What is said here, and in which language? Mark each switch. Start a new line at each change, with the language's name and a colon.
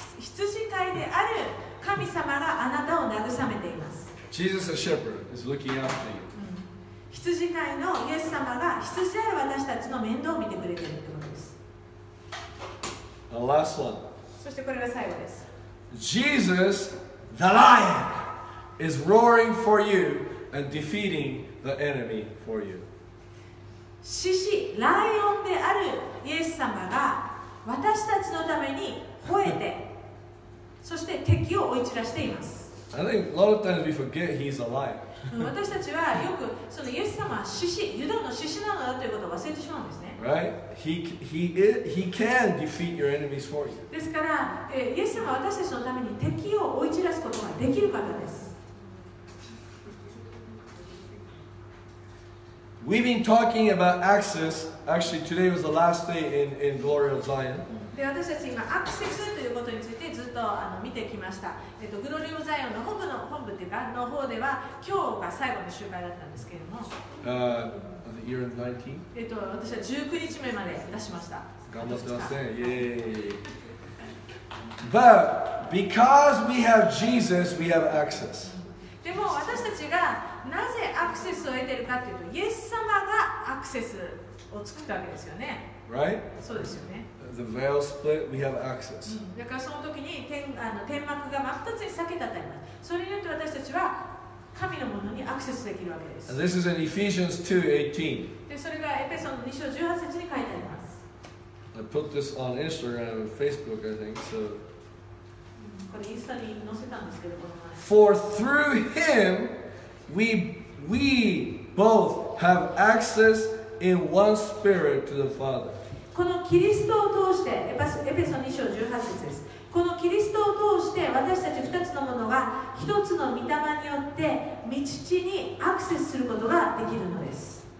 Japanese: 羊飼いである神様があなたを慰めています。
English: Jesus, the Shepherd, is looking after you.
Japanese: 羊飼いのイエス様が羊ある私たちの面倒を見てくれているってことです。
English: The last one.
Japanese: そしてこれが最後です。
English: Jesus, the lion, is roaring for you and defeating the enemy for you.
Japanese: 獅子、ライオンであるイエス様が私たちのために吠えて、そして敵を追い散らしています。
English: I think a lot of times we forget he's a lion.
Japanese: 私たちはよくそのイエス様は獅子、ユダの獅子なのだということを忘れてしまうんですね。
English: Right? He can defeat your enemies for you.
Japanese: ですから、イエス様は私たちのために敵を追い散らすことができる方です。
English: We've been talking about access. Actually, today was the last day in Glory of Zion.
Japanese: で、私たち今、アクセスということについてずっとあの見てきました。グロリオザイオンの本部の本部っていうか、の方では、今日が最後の集会だったんですけれども。
English: Year 19?
Japanese: 私は19日目まで出しました。頑張ってますね。イェーイ。
English: But because we have Jesus, we have access.
Japanese: でも私たちがなぜアクセスを得てるかっていうと、イエス様がアクセスを作ったわけですよね。
English: Right?
Japanese: そうですよね。
English: The veil split, we have access.
Japanese: だからその時に 天幕が真っ二つに裂けたってあります。それによって私たちは神のものにアクセスできるわけです。
English: And this is in Ephesians 2:18.
Japanese: で、それがエペソの2章18節に書いてあります。
English: I put this on Instagram and Facebook, I think, so.
Japanese: これインスタに載せたんですけど、この前。
English: For through him, we both have access in one spirit to the Father.
Japanese: このキリストを通して、エペソ2章18節です。このキリストを通して、私たち2つのものが1つの御霊によって、御父にアクセスすることができるのです。